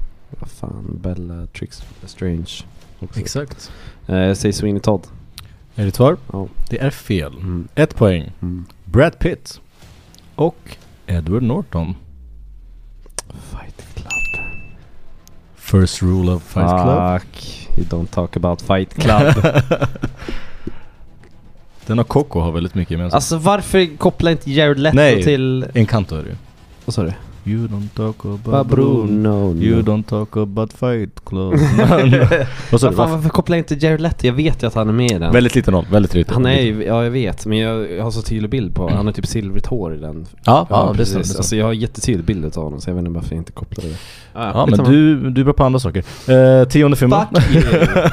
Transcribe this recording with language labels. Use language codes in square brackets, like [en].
[sv] Vad fan, Bella Trix Strange också. Exakt. Jag säger Sweeney Todd. Är det svar? Ja. Det är fel. Ett poäng. Brad Pitt och Edward Norton. Fight Club. [en] First rule of Fight Club. Fuck. You don't talk about Fight Club. [sv] Den och Coco har väldigt mycket gemensamt. Alltså varför kopplar inte Jared Leto Nej, till... Nej, Encanto är det ju. Vad sa du? [en] You don't talk about Bruno. You don't talk about Fight Club. [sv] Vad sa du? Varför kopplar inte Jared Leto? Jag vet ju att han är med i den. Väldigt liten roll. Väldigt liten. Han är ju, ja jag vet. Men jag har så tydlig bild på honom. Han har typ silvrigt hår i den. Ja, ja precis. Det är så. Alltså jag har jättetydlig bild av honom. Så jag vet inte varför jag inte kopplar det. Ja men du är bra på andra saker. Tionde filmen. [en] Fuck you.